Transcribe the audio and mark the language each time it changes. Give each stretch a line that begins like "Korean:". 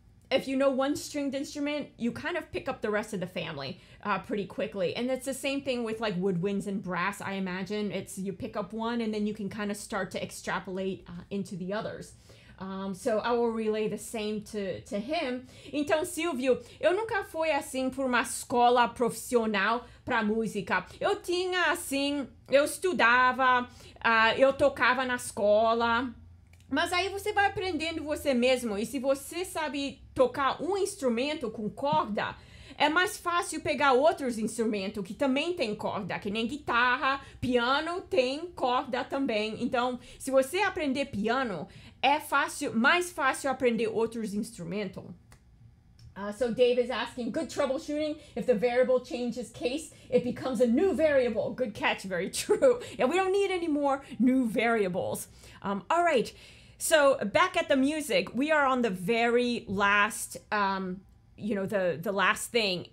English: If you know one stringed instrument, you kind of pick up the rest of the family pretty quickly. And it's the same thing with like woodwinds and brass, I imagine. It's you pick up one and then you can kind of start to extrapolate into the others. So I will relay the same to him.
Portuguese: Então, Silvio, eu nunca fui assim por uma escola profissional para música. Eu tinha assim, eu estudava, eu tocava na escola. Mas aí você vai aprendendo você mesmo. E se você sabe tocar um instrumento com corda, é mais fácil pegar outros instrumentos que também tem corda, que nem guitarra, piano tem corda também. Então, se você aprender piano, é fácil, mais fácil aprender outros instrumentos.
English: So Dave is asking, good troubleshooting. If the variable changes case, it becomes a new variable. Good catch, very true. Yeah, we don't need any more new variables. All right, so back at the music, we are on the very last, the last thing.